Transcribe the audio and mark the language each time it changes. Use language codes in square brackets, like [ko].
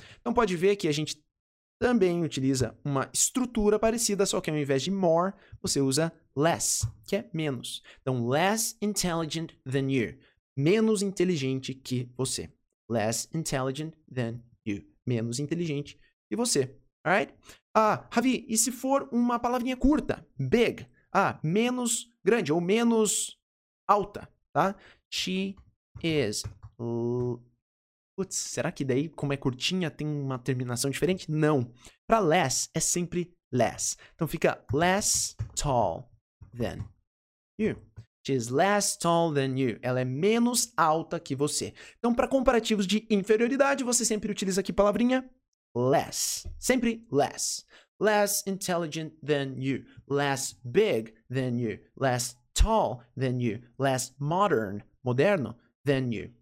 [pt] Então, pode ver que a gente também utiliza uma estrutura parecida, só que ao invés de more, você usa less, que é menos. [en] Então, less intelligent than you. [pt] Menos inteligente que você. [en] Less intelligent than you. [pt] Menos inteligente que você. Alright? Ah, Ravi, e se for uma palavrinha curta? Big. Ah, menos grande ou menos alta, tá? She is... Putz, será que daí, como é curtinha, tem uma terminação diferente? Não. Para less, é sempre less. Então, fica [en] less tall than you. She is less tall than you. [pt] Ela é menos alta que você. Então, para comparativos de inferioridade, você sempre utiliza aqui palavrinha less. Sempre less. [en] Less intelligent than you. Less big than you. Less tall than you. Less modern, moderno, than you.